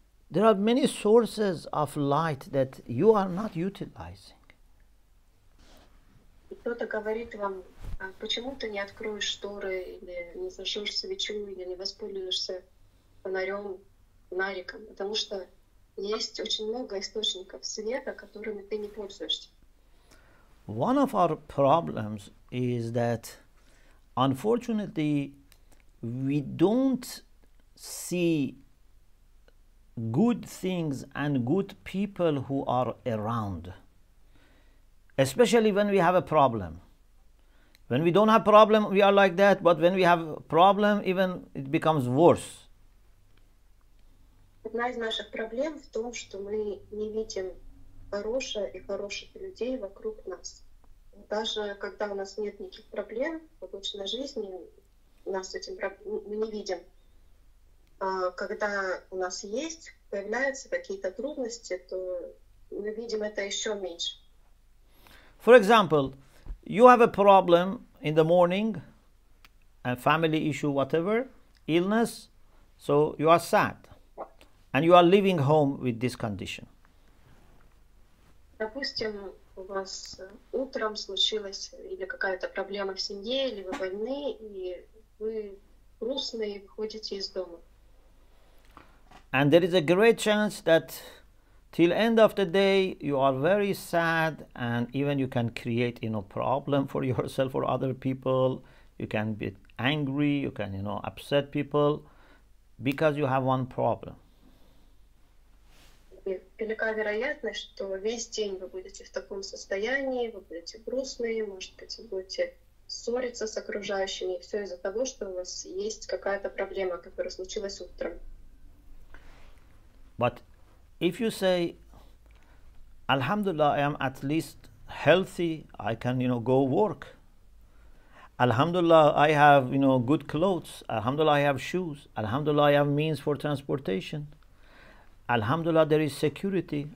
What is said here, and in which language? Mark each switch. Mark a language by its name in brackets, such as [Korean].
[English] There are many sources of light that you are not utilizing. [Russian] Кто-то говорит вам, почему ты не откроешь шторы, или не зажжешь свечу, или не воспользуешься фонарем, фонариком, потому что есть очень много источников света, которыми ты не пользуешься. [English] One of our problems is that, unfortunately, we don't see good things and good people who are around, especially when we have a problem. When we don't have problem, we are like that, but when we have problem, even it becomes worse. [Russian] Одна из наших проблем в том, что мы не видим хорошее и хороших людей вокруг нас. Даже когда у нас нет никаких проблем в обычной жизни, нас этим мы не видим. А когда у нас есть, появляются какие-то трудности, то мы видим это еще меньше. [English] For example, you have a problem in the morning, a family issue, whatever, illness, so you are sad, and you are leaving home with this condition. [Russian] Допустим, у вас утром случилась или какая-то проблема в семье, или вы больны, и вы грустны и выходите из дома. [English] And there is a great chance that till end of the day you are very sad, and even you can create, you know, problem for yourself or other people. You can be angry, you can, you know, upset people because you have one problem. [Russian] Велика вероятность, что весь день вы будете в таком состоянии, вы будете грустные, может быть, вы будете ссориться с окружающими, все из-за того, что у вас есть какая-то проблема, которая случилась утром. [English] But If you say, Alhamdulillah, I am at least healthy, I can, you know, go work. Alhamdulillah, I have, you know, good clothes. Alhamdulillah, I have shoes. Alhamdulillah, I have means for transportation. Alhamdulillah, there is security.